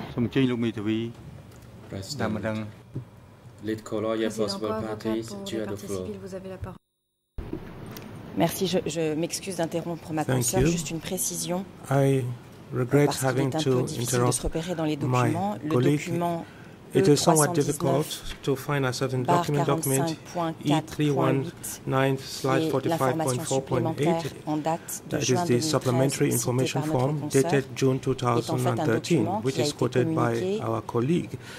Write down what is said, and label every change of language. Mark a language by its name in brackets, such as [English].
[English] President, lead co-lawyer, possible parties, you have the floor. [French] Merci, je m'excuse d'interrompre ma consoeur, juste une précision. [English] I regret having to interrupt [French] de se repérer dans les documents. [English] My colleague. It is somewhat difficult to find ourselves in document E319/45.4.8, that is the supplementary information form dated June 2013, which is quoted by our colleague.